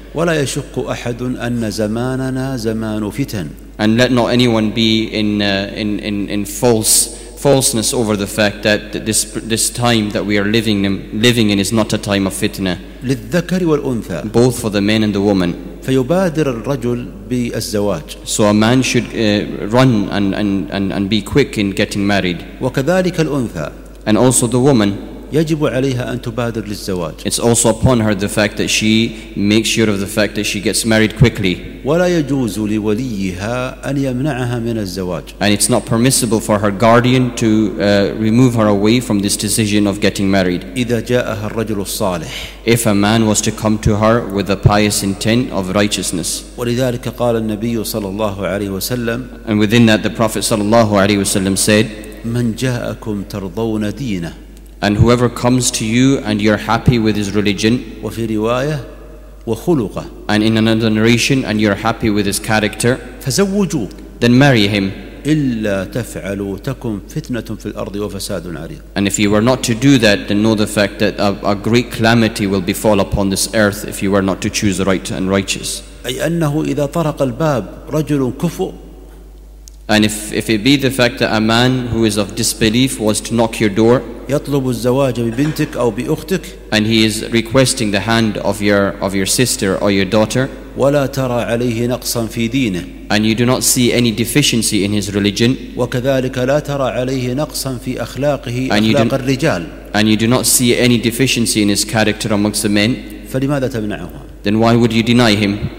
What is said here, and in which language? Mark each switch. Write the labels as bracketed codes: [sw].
[ar] ولا يشك أحد أن زماننا زمان فتن. [en] And let not anyone be in falseness over the fact that this time that we are living in is not a time of fitna. [ar] للذكر والأنثى. [en] Both for the man and the woman. [ar] فيبادر الرجل بالزواج. [en] So a man should run and be quick in getting married. [ar] وكذلك الأنثى. [en] And also the woman. [ar] يجب عليها أن تبادر للزواج. [en] It's also upon her the fact that she makes sure of the fact that she gets married quickly. [ar] ولا يجوز لوليها أن يمنعها من الزواج. [en] And it's not permissible for her guardian to remove her away from this decision of getting married. [ar] إذا جاءها الرجل الصالح. [en] If a man was to come to her with a pious intent of righteousness. [ar] ولذلك قال النبي صلى الله عليه وسلم. [en] And within that, the Prophet صلى الله عليه وسلم said, [ar] من جاءكم ترضون دينه. [en] And whoever comes to you and you're happy with his religion, [ar] وفي رواية وخلقه, [en] and in another narration, and you're happy with his character, [ar] فزوجوه, [en] then marry him. [ar] إلا تفعلوا تكن فتنة في الأرض وفساد عريض. [en] And if you were not to do that, then know the fact that a great calamity will befall upon this earth if you were not to choose right and righteous. [ar] أي أنه إذا طرق الباب رجل كفؤ. [en] And if it be the fact that a man who is of disbelief was to knock your door, [ar] يطلب الزواج ببنتك أو بأختك, [en] and he is requesting the hand of your sister or your daughter, [ar] ولا ترى عليه نقصا في دينه, [en] and you do not see any deficiency in his religion, [ar] وكذلك لا ترى عليه نقصا في أخلاقه أخلاق الرجال, [en] and you do not see any deficiency in his character amongst the men, [ar] فلماذا تمنعه؟ [en] Then why would you deny him?